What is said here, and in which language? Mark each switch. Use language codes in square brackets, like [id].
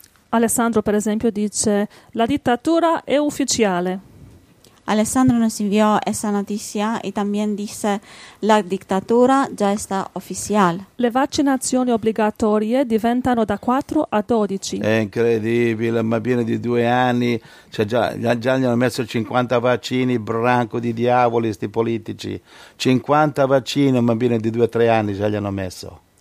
[it] Alessandro, per esempio, dice la dittatura è ufficiale. [es] Alessandro nos envió esa noticia y también dice la dictadura ya está oficial. [it] Le vaccinazioni obbligatorie diventano da 4 a 12. È incredibile, ma viene di 2 anni, cioè già gli hanno messo 50 vaccini, branco di diavoli sti politici. 50 vaccini, ma viene di 2 o 3 anni già gli hanno messo.